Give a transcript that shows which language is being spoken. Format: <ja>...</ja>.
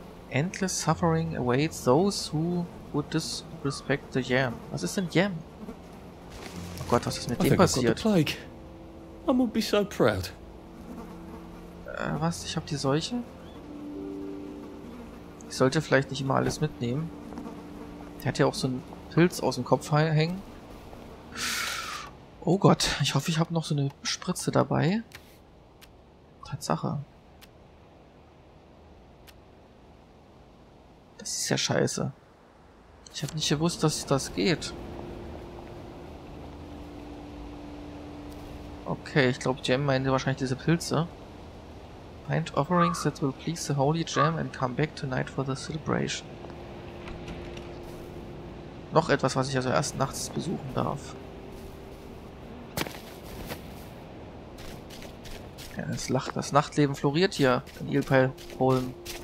<en>Endless suffering awaits those who would disrespect the Yam.</en> <de>Was ist denn Yam? Oh Gott, was ist mit dem passiert?</de> <en>I'm gonna be so proud.</en> <de>Was? Ich hab die Seuche? Ich sollte vielleicht nicht immer alles mitnehmen. Der hat ja auch so einen Pilz aus dem Kopf hängen. Oh Gott, ich hoffe, ich habe noch so eine Spritze dabei. Tatsache. Das ist ja scheiße. Ich habe nicht gewusst, dass das geht. Okay, ich glaube, Jam meinte wahrscheinlich diese Pilze.</de> <en>Find offerings that will please the holy Jam and come back tonight for the celebration.</en> <de>Noch etwas, was ich also erst nachts besuchen darf. Das Nachtleben floriert hier in Ilpeilholm.</de>